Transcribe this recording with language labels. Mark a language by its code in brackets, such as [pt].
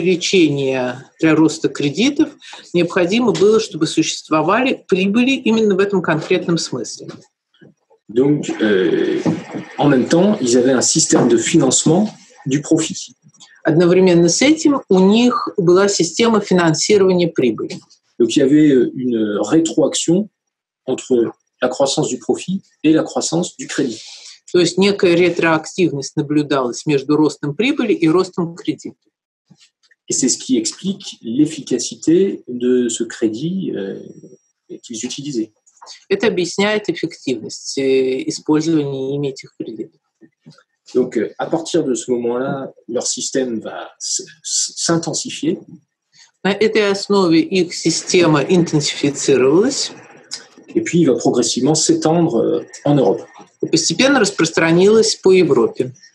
[ru] Для роста кредитов необходимо было, чтобы существовали прибыли именно в этом конкретном смысле. [fr] Donc, en même temps, ils avaient un système de financement du profit. [ru] Одновременно с этим у них была система финансирования прибыли. [fr] Donc, il y avait une rétroaction entre la croissance du profit et la croissance du crédit. [ru] То есть некая ретроактивность наблюдалась между ростом прибыли и ростом кредита. [fr] Et c'est ce qui explique l'efficacité de ce crédit qu'ils utilisaient. [ru] Это объясняет эффективность использования ими этих кредитов. [fr] Donc, à partir de ce moment-là, leur système va s'intensifier. [ru] На этой основе их система интенсифицировалась. [fr] Et puis, il va progressivement s'étendre en Europe. [ru] Постепенно распространилась по Европе.